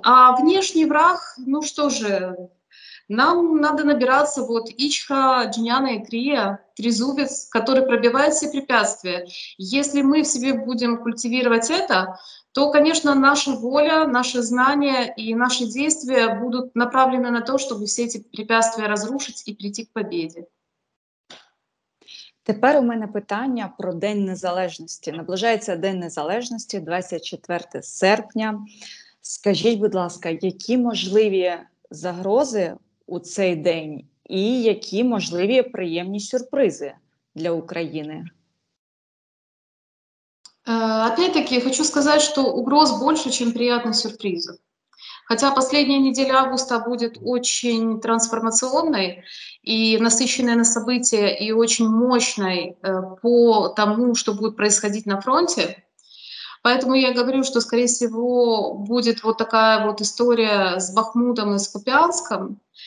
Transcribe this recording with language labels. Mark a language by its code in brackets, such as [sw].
[ru] А внешний враг, ну что же, нам надо набираться вот Ичха, Джняна и Крия, трезубец, который пробивает все препятствия. Если мы в себе будем культивировать это, то, конечно, наша воля, наши знания и наши действия будут направлены на то, чтобы все эти препятствия разрушить и прийти к победе. [uk] Тепер у мене питання про День Незалежності. Наближається День Незалежності, 24 серпня. Скажіть, будь ласка, які можливі загрози у цей день і які можливі приємні сюрпризи для України? [ru] Опять-таки, [uk] я хочу сказати, що угроз більше, ніж приємних сюрпризів. [ru] Хотя последняя неделя августа будет очень трансформационной и насыщенной на события, и очень мощной по тому, что будет происходить на фронте. Поэтому я говорю, что, скорее всего, будет вот такая вот история с Бахмутом и с Купянском.